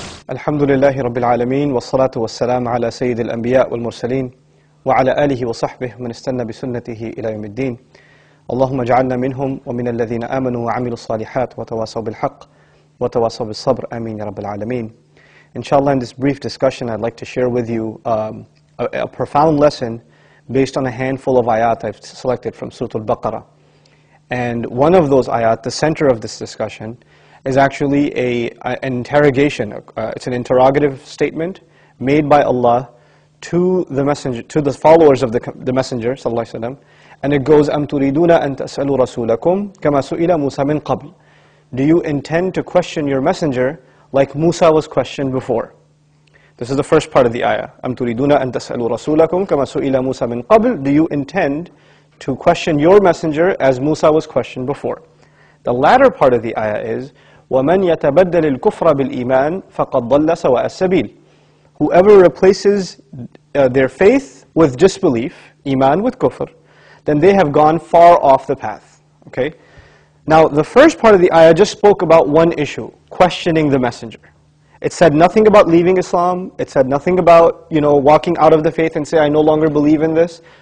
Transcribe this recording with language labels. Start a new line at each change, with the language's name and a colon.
Arabic: الحمد لله رب العالمين والصلاة والسلام على سيد الأنبياء والمرسلين وعلى آله وصحبه من استنى بسنته إلى يوم الدين اللهم اجعلنا منهم ومن الذين آمنوا وعملوا الصالحات وتواصوا بالحق وتواصوا بالصبر آمين يا رب العالمين.
English: Inshallah, in this brief discussion I'd like to share with you a profound lesson based on a handful of ayat I've selected from Surah Al-Baqarah. And one of those ayat, the center of this discussion, is actually an interrogative statement made by Allah to the messenger, to the followers of the messenger sallallahu alaihi wasallam, and it goes,
Arabic: am turiduna an tasalu rasulakum kama suila Musa min qabl,
English: do you intend to question your messenger like Musa was questioned before? This is the first part of the ayah.
Arabic: Am turiduna an tasalu rasulakum kama suila Musa min qabl,
English: do you intend to question your messenger as Musa was questioned before? The latter part of the ayah is,
Arabic: وَمَنْ يَتَبَدَّلِ الْكُفْرَ بِالْإِيمَانِ فَقَدْ ضَلَّ سَوَاءَ السَّبِيلِ.
English: Whoever replaces their faith with disbelief, iman with kufr, then they have gone far off the path. Okay? Now, the first part of the ayah just spoke about one issue, questioning the messenger. It said nothing about leaving Islam. It said nothing about, you know, walking out of the faith and say, I no longer believe in this.